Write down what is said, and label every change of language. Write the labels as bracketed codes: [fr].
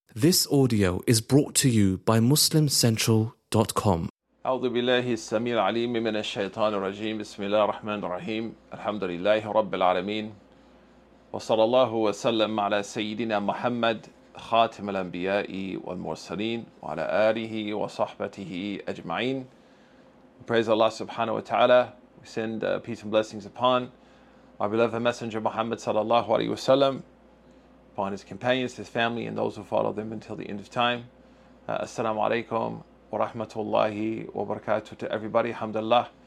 [en] This audio is brought to you by MuslimCentral.com. [ar] أعوذ بالله السميع العليم من الشيطان الرجيم. بسم الله الرحمن الرحيم. الحمد لله رب العالمين. وصلى الله وسلم على سيدنا محمد خاتم الأنبياء والمرسلين وعلى آله وصحبته أجمعين. [en] Praise Allah subhanahu wa ta'ala. We send peace and blessings upon our beloved messenger Muhammad sallallahu alayhi wa sallam, upon his companions, his family, and those who follow them until the end of time. Assalamu alaikum wa rahmatullahi wa barakatuh to everybody. Alhamdulillah.